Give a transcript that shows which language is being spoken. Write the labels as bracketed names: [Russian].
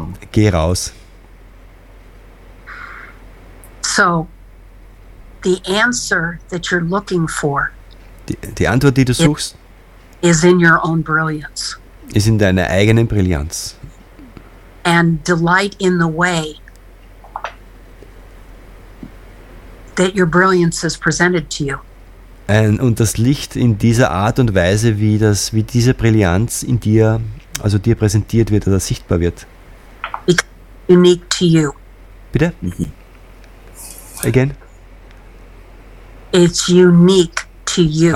[German] Geh raus. [English] So the answer that you're looking for. [German] Die Antwort, die du suchst, [English] is in your own brilliance. [German] Ist in deiner eigenen Brillanz. [English] And delight in the way that your brilliance is presented to you. [German] Und das Licht in dieser Art und Weise, wie diese Brillanz in dir, also dir präsentiert wird oder sichtbar wird. [English] It's unique to you. [German] Bitte? [English] Again? It's unique to you.